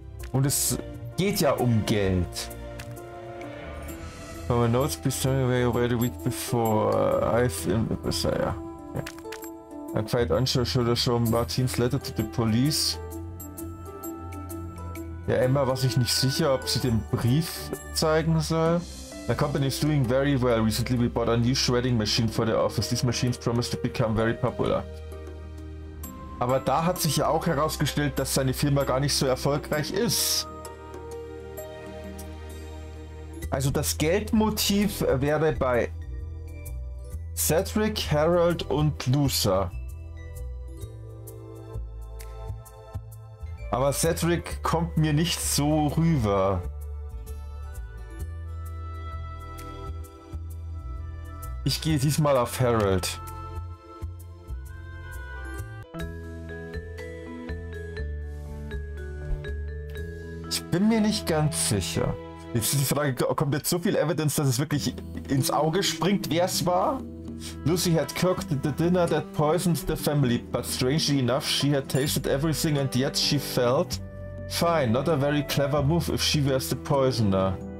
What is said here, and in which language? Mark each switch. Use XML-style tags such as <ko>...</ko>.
<de>Und es geht ja um Geld.</de> <en>From my notes, please tell me where you were the week before. Yeah. I'm quite unsure, should I show Martins letter to the police?</en> <de>Ja, Emma, was ich nicht sicher, ob sie den Brief zeigen soll.</de> <en>The company is doing very well. Recently we bought a new shredding machine for the office. These machines promise to become very popular.</en> <de>Aber da hat sich ja auch herausgestellt, dass seine Firma gar nicht so erfolgreich ist. Also das Geldmotiv wäre bei Cedric, Harold und Lucer. Aber Cedric kommt mir nicht so rüber. Ich gehe diesmal auf Harold. Ich bin mir nicht ganz sicher. Jetzt ist die Frage, kommt jetzt so viel Evidence, dass es wirklich ins Auge springt, wer es war?</de> <en>Lucy had cooked the dinner that poisoned the family, but strangely enough, she had tasted everything and yet she felt fine. Not a very clever move if she was the poisoner.</en>